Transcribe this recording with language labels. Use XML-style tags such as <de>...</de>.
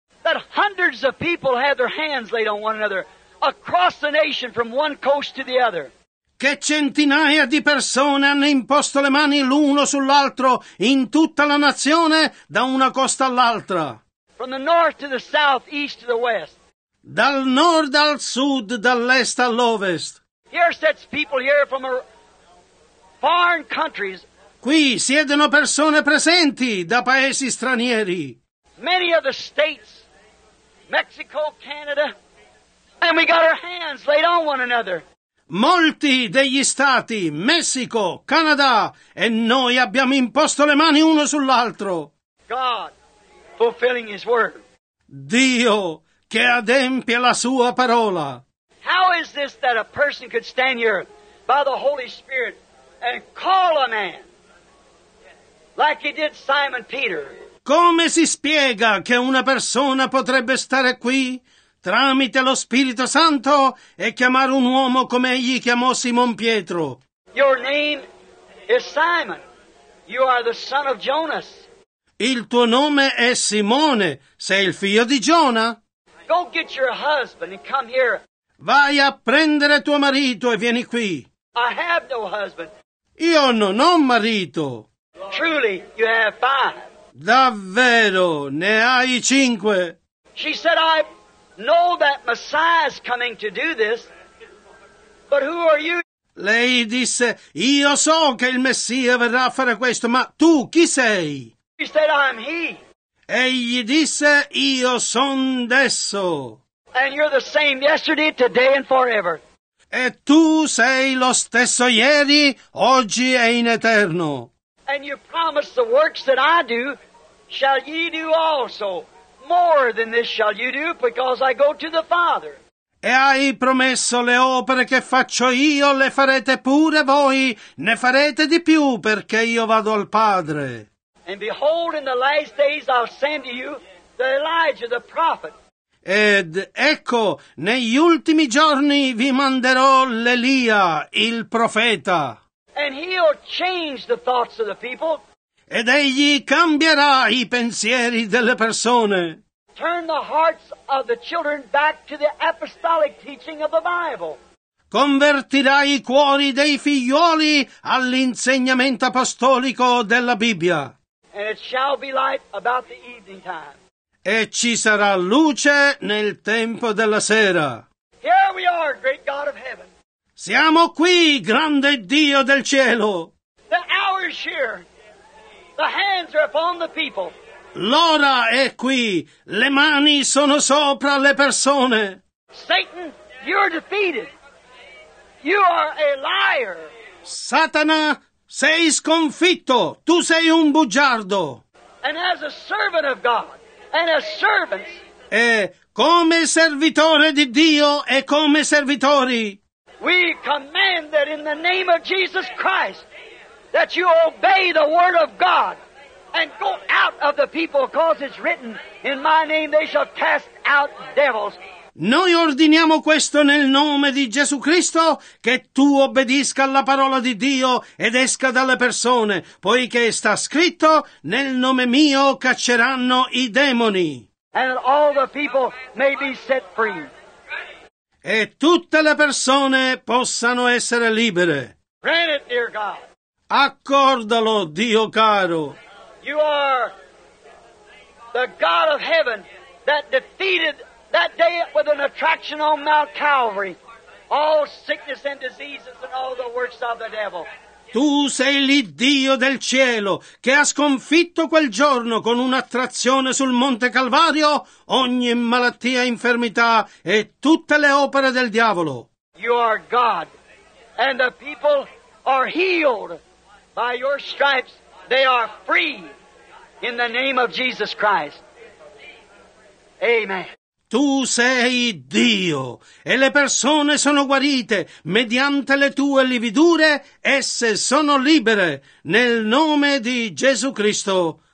<en>That hundreds of people have their hands laid on one another across the nation from one coast to the other.</en> <it>Che centinaia di persone hanno imposto le mani l'uno sull'altro in tutta la nazione da una costa all'altra.</it> <en>From the north to the south, east to the west.</en> <it>Dal nord al sud, dall'est all'ovest.</it> <en>Here sits people here from foreign countries.</en> <it>Qui siedono persone presenti da paesi stranieri.</it> <en>Many of the states. Mexico, Canada, and we got our hands laid on one another.</en> <it>Molti degli stati, Messico, Canada, e noi abbiamo imposto le mani uno sull'altro.</it> <en>God fulfilling his word.</en> <it>Dio che adempia la sua parola.</it> <en>How is this that a person could stand here by the Holy Spirit and call a man like he did Simon Peter?</en> <it>Come si spiega che una persona potrebbe stare qui tramite lo Spirito Santo e chiamare un uomo come egli chiamò Simon Pietro?</it> <en>Your name is Simon. You are the son of Jonas.</en> <it>Il tuo nome è Simone. Sei il figlio di Giona.</it> <en>Go get your husband and come here.</en> <it>Vai a prendere tuo marito e vieni qui.</it> <en>I have no husband.</en> <it>Io non ho marito.</it> <en>Truly, you have five.</en> <it>Davvero, ne hai cinque.</it> <en>She said, I know that Messiah is coming to do this, but who are you?</en> <it>Lei disse, io so che il Messia verrà a fare questo, ma tu chi sei?</it> <en>She said, I'm he.</en> <it>Egli disse, io son desso.</it> <en>And you're the same yesterday, today and forever.</en> <it>E tu sei lo stesso ieri, oggi e in eterno.</it> <en>And you promise the works that I do, shall ye do also. More than this shall you do, because I go to the Father.</en> <it>E hai promesso le opere che faccio io, le farete pure voi, ne farete di più, perché io vado al Padre.</it> <en>And behold, in the last days I'll send to you the Elijah, the prophet.</en> <it>Ed ecco, negli ultimi giorni vi manderò l'Elia, il profeta.</it> <en>And he'll change the thoughts of the people.</en> <it>Ed egli cambierà i pensieri delle persone.</it> <en>Turn the hearts of the children back to the apostolic teaching of the Bible.</en> <it>Convertirà i cuori dei figlioli all'insegnamento apostolico della Bibbia.</it> <en>And it shall be light about the evening time.</en> <it>E ci sarà luce nel tempo della sera.</it> <en>Here we are, great God of heaven.</en> <it>Siamo qui, grande Dio del cielo.</it> <en>The hour is here. The hands are upon the people.</en> <it>L'ora è qui. Le mani sono sopra le persone.</it> <en>Satan, you're defeated. You are a liar.</en> <it>Satana, sei sconfitto. Tu sei un bugiardo.</it> <en>And as a servant of God, and a servant.</en> <it>E come servitore di Dio e come servitori.</it> <en>We command that in the name of Jesus Christ that you obey the word of God and go out of the people, because it's written, in my name they shall cast out devils.</en> <it>Noi ordiniamo questo nel nome di Gesù Cristo, che tu obbedisca alla parola di Dio ed esca dalle persone, poiché sta scritto, nel nome mio cacceranno i demoni.</it> <en>And all the people may be set free.</en> <it>E tutte le persone possano essere libere.</it> <en>Grant it, dear God.</en> <it>Accordalo, Dio caro.</it> <en>You are the God of heaven that defeated that day with an attraction on Mount Calvary all sickness and diseases and all the works of the devil.</en> <it>Tu sei l'Iddio del cielo che ha sconfitto quel giorno con un'attrazione sul Monte Calvario ogni malattia, infermità e tutte le opere del diavolo.</it> <en>You are God, and the people are healed by your stripes. They are free in the name of Jesus Christ. Amen.</en> <it>Tu sei Dio, e le persone sono guarite mediante le tue lividure, esse sono libere, nel nome di Gesù Cristo.</it>